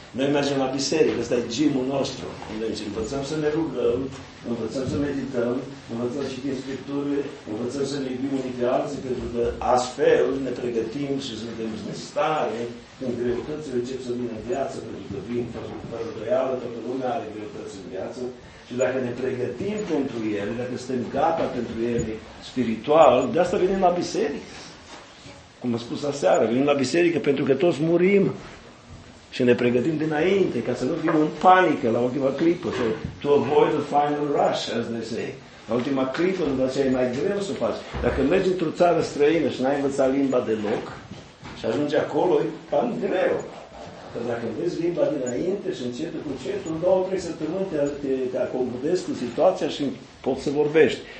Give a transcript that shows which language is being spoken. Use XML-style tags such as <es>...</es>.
<ro>Noi mergem la biserică, ăsta e gym-ul nostru, unde învățăm să ne rugăm, învățăm să medităm, învățăm să citim scripturile, învățăm să ne iubim unii pe alții, pentru că astfel ne pregătim și suntem în stare când greutățile încep să vină în viață, pentru că vin fără doială, toată lumea are greutăți în viață. Și dacă ne pregătim pentru ele, dacă suntem gata pentru ele spiritual, de asta venim la biserică. Cum am spus aseară, venim la biserică pentru că toți murim și ne pregătim dinainte, ca să nu fim în panică la ultima clipă.</ro> <en>So, to avoid the final rush, as they say.</en> <ro>La ultima clipă, după aceea e mai greu să faci. Dacă mergi într-o țară străină și n-ai învățat limba deloc și ajungi acolo, e cam greu. Că dacă vezi limba dinainte și încetul cu încetul, 2-3 săptămâni te acomodezi cu situația și poți să vorbești.</ro>